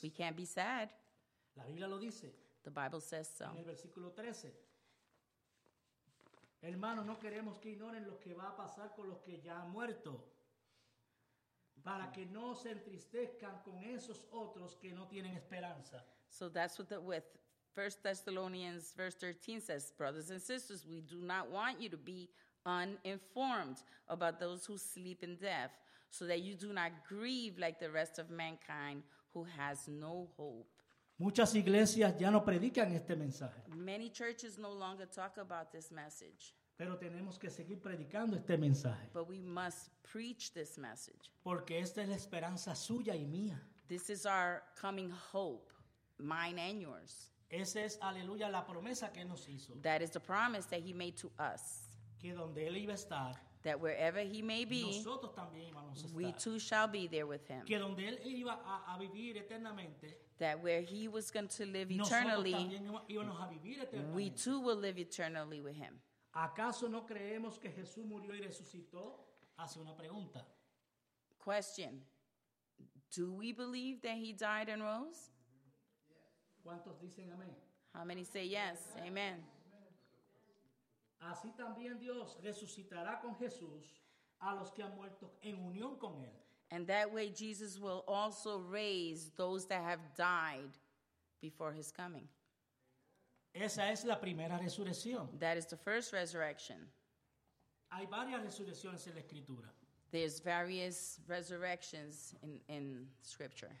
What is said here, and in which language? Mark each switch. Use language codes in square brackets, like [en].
[en] We can't be sad. [es] La Biblia lo dice. [en] The Bible says so. [es] En el versículo 13. Hermanos, no queremos que ignoren lo que va a pasar con los que ya han muerto. Para que no se entristezcan con esos otros que no tienen esperanza. [en] So that's what with 1 Thessalonians verse 13 says, brothers and sisters, we do not want you to be uninformed about those who sleep in death, so that you do not grieve like the rest of mankind who has no hope. [es] Muchas iglesias ya no predican este mensaje. [en] Many churches no longer talk about this message. [es] Pero tenemos que seguir predicando este mensaje. [en] But we must preach this message. [es] Porque esta es la esperanza suya y mía. [en] This is our coming hope, mine and yours. [es] Esa es, aleluya, la promesa que nos hizo. [en] That is the promise that he made to us. [es] Que donde él iba a estar. [en] That wherever he may be, [es] nosotros también íbamos a estar. [en] We too shall be there with him. [es] Que donde él iba a vivir eternamente. [en] That where he was going to live eternally, [es] íbamos a vivir eternamente. [en] We too will live eternally with him. [es] ¿Acaso no creemos que Jesús murió y resucitó? Hace una pregunta. [en] Question. Do we believe that he died and rose? [es] ¿Cuántos dicen amén? [en] How many say yes? Amen. [es] Así también Dios resucitará con Jesús a los que han muerto en unión con él. [en] And that way Jesus will also raise those that have died before his coming. [es] Esa es la primera resurrección. [en] That is the first resurrection. [es] Hay varias resurrecciones en la escritura. [en] There's various resurrections in scripture.